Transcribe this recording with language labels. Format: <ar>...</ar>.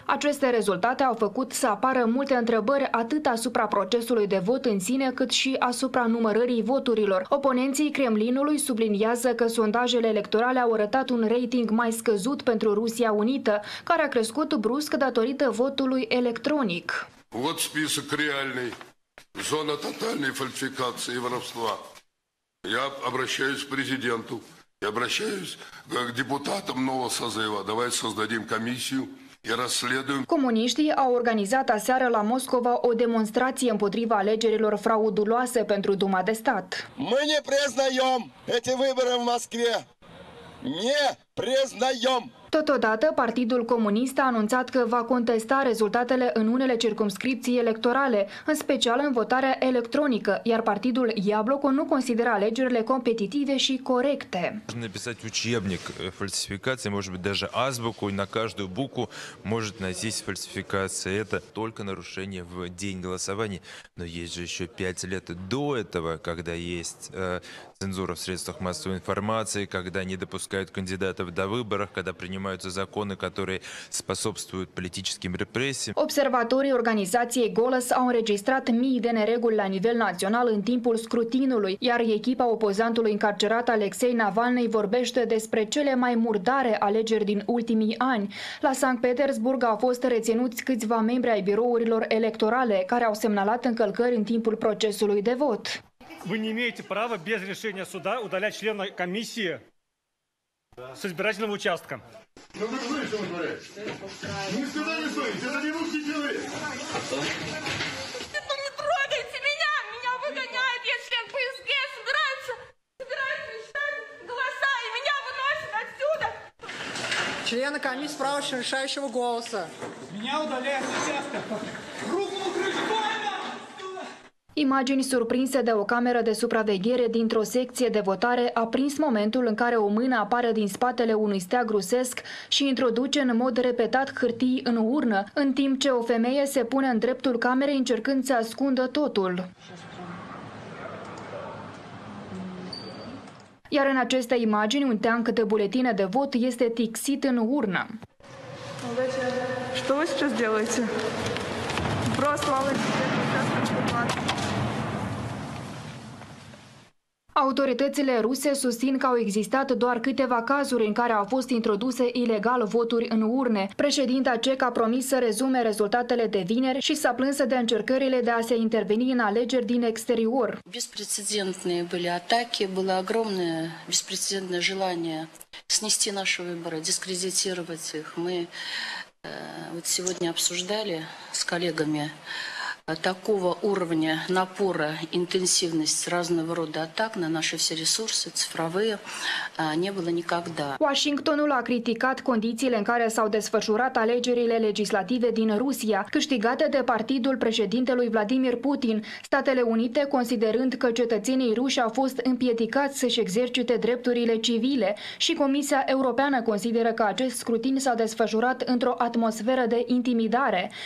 <ro>Aceste rezultate au făcut să apară multe întrebări atât asupra procesului de vot în sine, cât și asupra numărării voturilor. Oponenții Kremlinului subliniază că sondajele electorale au arătat un rating mai scăzut pentru Rusia Unită, care a crescut brusc datorită votului electronic.</ro> <ru>Вот список реальный. Зона тотальной фальсификации и воровства. Я обращаюсь к президенту, я обращаюсь к депутатам нового созыва. Давайте создадим комиссию.</ru> <ro>Comuniștii au organizat aseară la Moscova o demonstrație împotriva alegerilor frauduloase pentru Duma de stat.</ro> <ru>Мы не признаем эти выборы в Москве. Не признаем.</ru> <ro>Totodată, Partidul Comunist a anunțat că va contesta rezultatele în unele circumscripții electorale, în special în votarea electronică, iar partidul Iabloco nu consideră alegerile competitive și corecte.</ro> <ru>Написать учебник фальсификации, может быть даже азбуку, и на каждую букву может найтись фальсификация. Это только нарушение в день голосования, но есть же еще 5 лет до этого, когда есть цензура в средствах массовой информации, когда не допускают кандидатов до выборов, когда принимаются законы, которые способствуют политическим репрессиям. Обсерваторы организации</ru> <ro>«Голос» au înregistrat mii de нерегули la nivel național în timpul scrutinului, iar echipa opozantului încarcerat Alexei Navalny vorbește despre cele mai murdare alegeri din ultimii ani. La Sankt Petersburg au fost reținuți câțiva membri ai birourilor electorale, care au semnalat încălcări în timpul procesului de vot.</ro> <ru>Вы не имеете права без решения суда удалять члена комиссии с избирательного участка. Да вы что еще вытворяете? Вы сказали, что стоите, это не русские дела. Что вы трогаете меня? Меня выгоняют, я член ФСГ, собираются считать голоса, и меня выносят отсюда. Члены комиссии права решающего голоса. Меня удаляют с участка. Руку на крышу больно!</ru> <ro>Imagini surprinse de o cameră de supraveghere dintr-o secție de votare a prins momentul în care o mână apare din spatele unui steag rusesc și introduce în mod repetat hârtii în urnă, în timp ce o femeie se pune în dreptul camerei încercând să ascundă totul. Iar în aceste imagini, un teanc de buletine de vot este tixit în urnă. Ce faceți acum? Autoritățile ruse susțin că au existat doar câteva cazuri în care au fost introduse ilegal voturi în urne. Președinta cecă a promis să rezume rezultatele de vineri și s-a plâns de încercările de a se interveni în alegeri din exterior.</ro> <ru>Беспрецедентные были атаки, было огромное беспрецедентное желание снести наши выборы, дискредитировать их. Мы вот сегодня обсуждали с коллегами такого уровня напора, интенсивность разного рода атак на наши все ресурсы цифровые не было никогда.</ru> <ro>Вашингтонul a criticat condițiile în care s-au desfășurat alegerile legislative din Rusia, câștigate de partidul președintelui Vladimir Putin, Statele Unite considerând că cetățenii ruși au fost împiedicați să-și exercite drepturile civile și Comisia Europeană consideră că acest scrutin s-a desfășurat într-o atmosferă de intimidare.</ro>